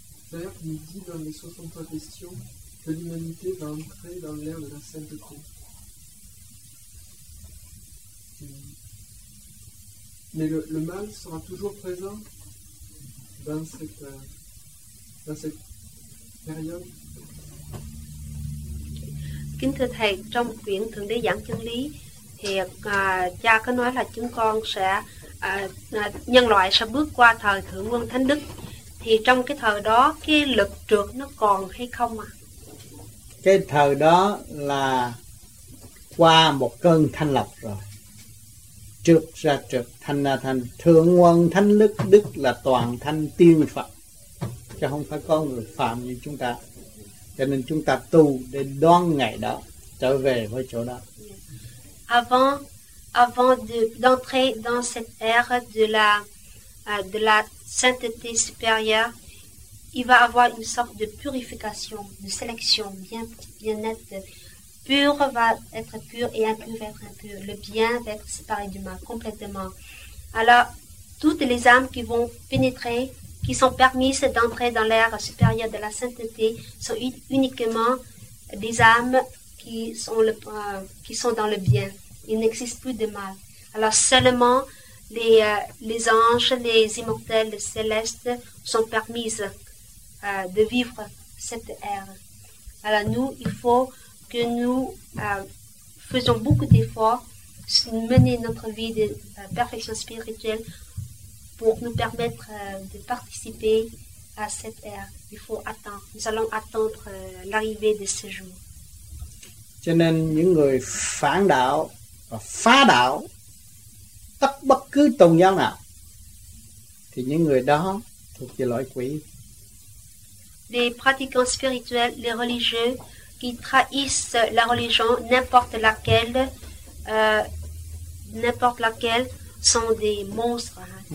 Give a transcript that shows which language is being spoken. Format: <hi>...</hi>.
<fr>D'ailleurs, il nous dit dans les 63 questions que l'humanité va entrer dans l'ère de la Sainte Croix. Mais le mal sera toujours présent dans cette période.</fr> <vi>Kính thưa thầy, trong một quyển Thượng Đế giảng chân lý thì cha có nói là chúng con sẽ nhân loại sẽ bước qua thời Thượng Quân Thánh Đức, thì trong cái thời đó cái lực trượt nó còn hay không ạ? Cái thời đó là qua một cơn thanh lọc rồi, trượt ra trượt, thanh ra thanh, Thượng Quân Thánh Đức, Đức là toàn thanh tiên Phật, chứ không phải có người phạm như chúng ta. Cho nên chúng ta tu để đón ngày đó, trở về với chỗ đó.</vi> <fr>Avant d'entrer dans cette ère de la sainteté supérieure, il va avoir une sorte de purification, de sélection bien nette. Pur va être pur et impur va être impur. Le bien va être séparé du mal complètement. Alors, toutes les âmes qui vont pénétrer, qui sont permises d'entrer dans l'ère supérieure de la sainteté, sont uniquement des âmes qui sont dans le bien. Il n'existe plus de mal. Alors seulement les anges, les immortels, les célestes sont permises de vivre cette ère. Alors nous, il faut que nous faisons beaucoup d'efforts pour mener notre vie de perfection spirituelle pour nous permettre de participer à cette ère. Il faut attendre. Nous allons attendre l'arrivée de ce jour.</fr> <vi>Cho nên những người phản đạo và phá đạo tất bất cứ tôn giáo nào thì những người đó thuộc về loại quỷ.</vi> <fr>Les pratiquants spirituels, les religieux qui trahissent la religion n'importe laquelle sont des monstres.</fr>